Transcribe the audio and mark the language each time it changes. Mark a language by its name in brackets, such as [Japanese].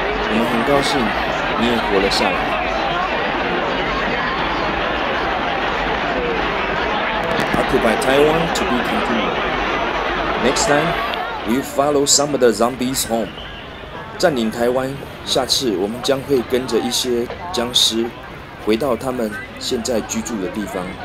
[Chinese] 我们很高兴你也活了下来。 [English] Occupy Taiwan to be continued. Next time, we follow some of the zombies home. [Chinese] 占领台湾，下次我们将会跟着一些僵尸回到他们现在居住的地方。